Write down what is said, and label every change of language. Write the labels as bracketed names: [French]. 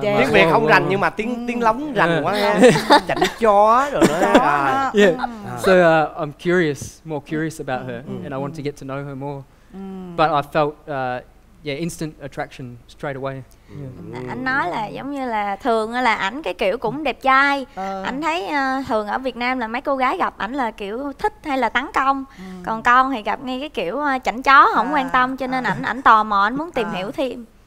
[Vietnamese] Tiếng Việt không rành nhưng mà tiếng lóng rành quá ha. Chăn chó rồi đó. [English] So I'm more curious about her and I want to get to know her more. But I felt instant attraction straight away. [Vietnamese] Anh nói là giống như là thường là ảnh cái kiểu cũng đẹp trai. Anh thấy thường ở Việt Nam là mấy cô gái gặp ảnh là kiểu thích hay là tấn công. Còn con thì gặp ngay cái kiểu chảnh chó không quan tâm, cho nên ảnh tò mò, ảnh muốn tìm hiểu thêm.